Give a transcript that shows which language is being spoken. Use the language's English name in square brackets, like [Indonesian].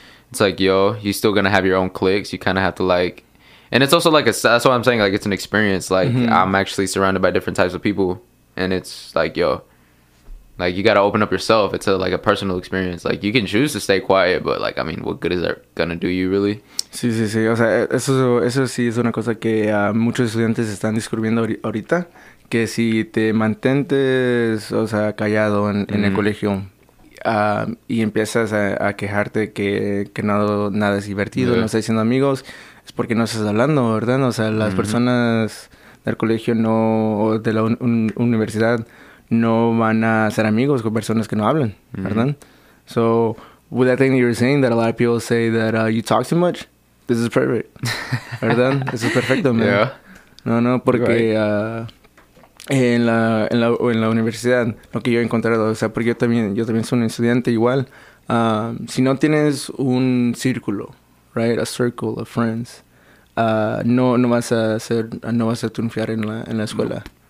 [English] It's like, yo, you're still gonna have your own cliques. You kind of have to, like... And it's also like that's what I'm saying, like, it's an experience. Like, I'm actually surrounded by different types of people. And it's like, yo, like, you got to open up yourself. It's like a personal experience. Like, you can choose to stay quiet, but, like, I mean, what good is that going to do you, really? [Spanish] Sí, sí, sí. O sea, eso sí es una cosa que muchos estudiantes están descubriendo ahorita. Que si te mantentes, o sea, callado en el colegio y empiezas a quejarte que nada es divertido, no estás haciendo amigos... porque no estás hablando, ¿verdad? O sea, las personas del colegio no, o de la universidad no van a ser amigos con personas que no hablan, ¿verdad? [English] So, with that thing that you're saying, that a lot of people say that you talk too much, this is perfect, [Spanish] ¿verdad? Eso es perfecto, man. [English] Yeah. [Spanish] No, porque en la universidad, lo que yo he encontrado, o sea, porque yo también soy un estudiante igual, si no tienes un círculo, [English] right, a circle of friends, [Spanish] no vas a triunfar en la escuela.